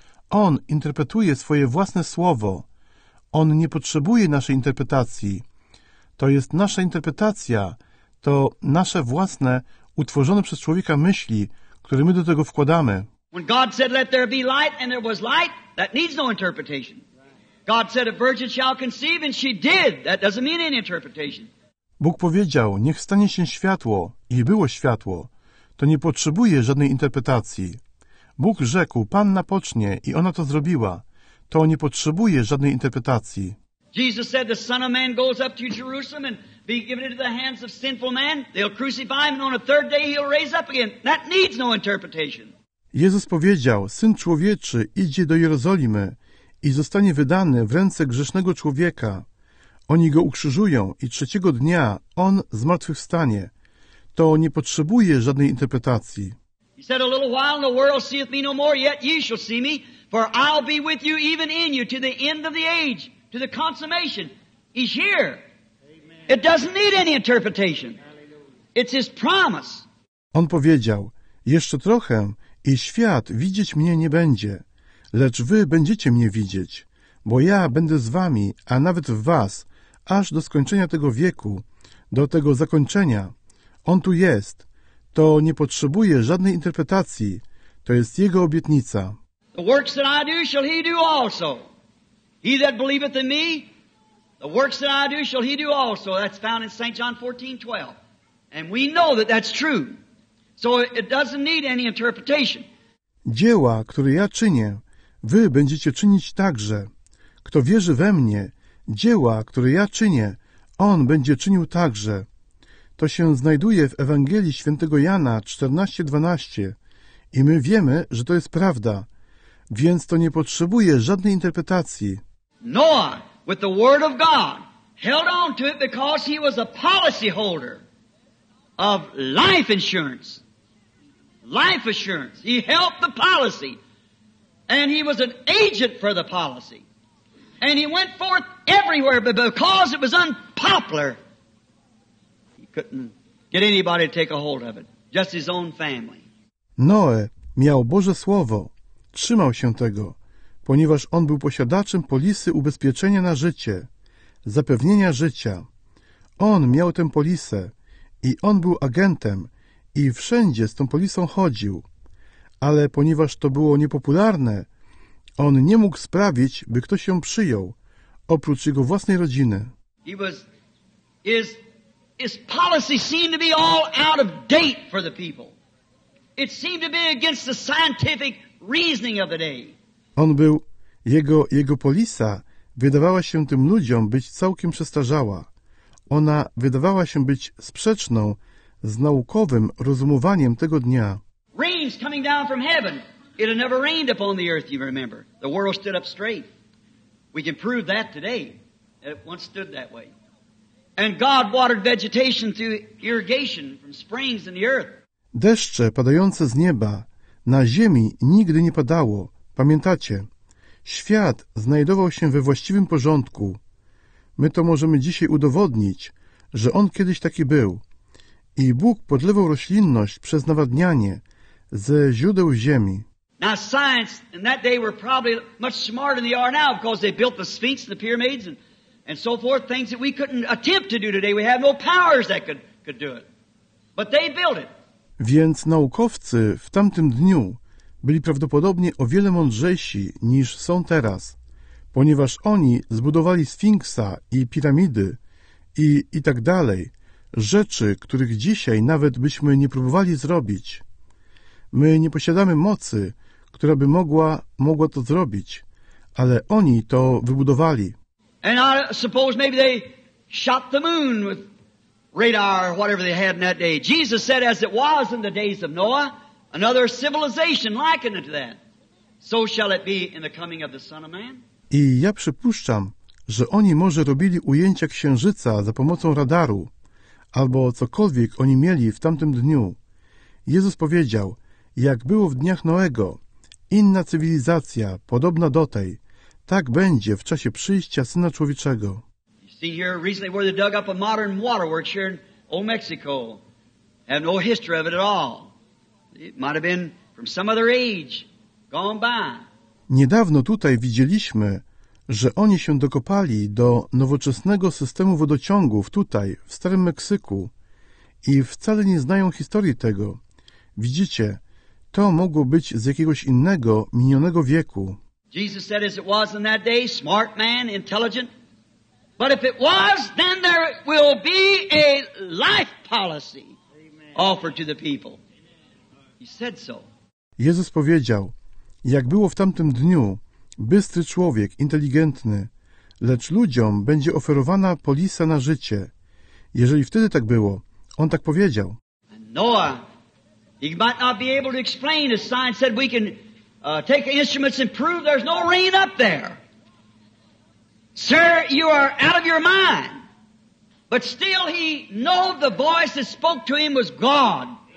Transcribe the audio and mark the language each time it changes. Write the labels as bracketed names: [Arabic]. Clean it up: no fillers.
[Polish] On interpretuje swoje własne słowo. On nie potrzebuje naszej interpretacji. To jest nasza interpretacja, to nasze własne, utworzone przez człowieka myśli, które my do tego wkładamy. [English] When God said, let there be light, and there was light, that needs no interpretation. God said, a virgin shall conceive, and she did. That doesn't mean any interpretation. [Polish] Bóg powiedział, niech stanie się światło, i było światło. To nie potrzebuje żadnej interpretacji. Bóg rzekł, Panna pocznie, i ona to zrobiła. To nie potrzebuje żadnej interpretacji. [English] Jesus said, the Son of Man goes up to Jerusalem, and be given into the hands of sinful man. They'll crucify him, and on a third day he'll raise up again. That needs no interpretation. [Polish] Jezus powiedział, Syn Człowieczy idzie do Jerozolimy i zostanie wydany w ręce grzesznego człowieka. Oni go ukrzyżują i trzeciego dnia on zmartwychwstanie. To nie potrzebuje żadnej interpretacji. [English] He said, a little while and the world seeth me no more, yet ye shall see me, for I'll be with you even in you to the end of the age, to the consummation. He's here. It doesn't need any interpretation. It's his promise. [Polish] On powiedział, jeszcze trochę i świat widzieć mnie nie będzie, lecz wy będziecie mnie widzieć, bo ja będę z wami, a nawet w was, aż do skończenia tego wieku, do tego zakończenia. On tu jest. To nie potrzebuje żadnej interpretacji. To jest Jego obietnica. [English] The works that I do shall he do also. He that believeth in me, the works that I do shall he do also. That's found in St. John 14:12. And we know that that's true. So it doesn't need any interpretation. [Polish] Dzieła, które ja czynię, wy będziecie czynić także. Kto wierzy we mnie, dzieła, które ja czynię, on będzie czynił także. To się znajduje w Ewangelii świętego Jana 14:12 i my wiemy, że to jest prawda, więc to nie potrzebuje żadnej interpretacji. [English] Noah, with the word of God, held on to it because he was a policy holder of life insurance. Life assurance. He helped the policy. And he was an agent for the policy. And he went forth everywhere, but because it was unpopular, couldn't get anybody to take a hold of it. Just his own family. [Polish] Noe miał Boże Słowo. Trzymał się tego, ponieważ on był posiadaczem polisy ubezpieczenia na życie, zapewnienia życia. On miał tę polisę i on był agentem i wszędzie z tą polisą chodził. Ale ponieważ to było niepopularne, on nie mógł sprawić, by ktoś ją przyjął, oprócz jego własnej rodziny. [English] His policy seemed to be all out of date for the people. It seemed to be against the scientific reasoning of the day. [Polish] On był, jego polisa wydawała się tym ludziom być całkiem przestarzała. Ona wydawała się być sprzeczną z naukowym rozumowaniem tego dnia. [English] Rain's coming down from heaven. It had never rained upon the earth, you remember. The world stood up straight. We can prove that today. It once stood that way. And God watered vegetation through irrigation from springs in the earth. [Polish] Deszcze padające z nieba na ziemi nigdy nie padało. Pamiętacie? Świat znajdował się we właściwym porządku. My to możemy dzisiaj udowodnić, że on kiedyś taki był. I Bóg podlewał roślinność przez nawadnianie ze źródeł ziemi. [English] Now science in that day were probably much smarter than they are now because they built the Sphinx, the pyramids and so forth, things that we couldn't attempt to do today. We have no powers that could do it. But they built it. [Polish] Więc naukowcy w tamtym dniu byli prawdopodobnie o wiele mądrzejsi niż są teraz, ponieważ oni zbudowali Sfinksa i piramidy i tak dalej, rzeczy, których dzisiaj nawet byśmy nie próbowali zrobić. My nie posiadamy mocy, która by mogła to zrobić, ale oni to wybudowali. [English] And I suppose maybe they shot the moon with radar or whatever they had in that day. Jesus said, as it was in the days of Noah, another civilization likened unto that. So shall it be in the coming of the Son of Man. [Polish] I ja przypuszczam, że oni może robili ujęcia księżyca za pomocą radaru, albo cokolwiek oni mieli w tamtym dniu. Jezus powiedział, jak było w dniach Noego, inna cywilizacja, podobna do tej, tak będzie w czasie przyjścia Syna Człowieczego. [English] See here recently where they dug up a modern waterworks here in Old Mexico. Have no history of it at all. It might have been from some other age gone by. [Polish] Niedawno tutaj widzieliśmy, że oni się dokopali do nowoczesnego systemu wodociągów tutaj, w Starym Meksyku i wcale nie znają historii tego. Widzicie, to mogło być z jakiegoś innego, minionego wieku. [English] Jesus said, as it was in that day, smart man, intelligent. But if it was, then there will be a life policy offered to the people. He said so. [Polish] Jezus powiedział, jak było w tamtym dniu, bystry człowiek, inteligentny, lecz ludziom będzie oferowana polisa na życie. Jeżeli wtedy tak było, on tak powiedział. [English] Noah, he might not be able to explain. The sign said we can take instruments and prove there's no rain up there. Sir, you are out of your mind. But still he knew the voice that spoke to him was God.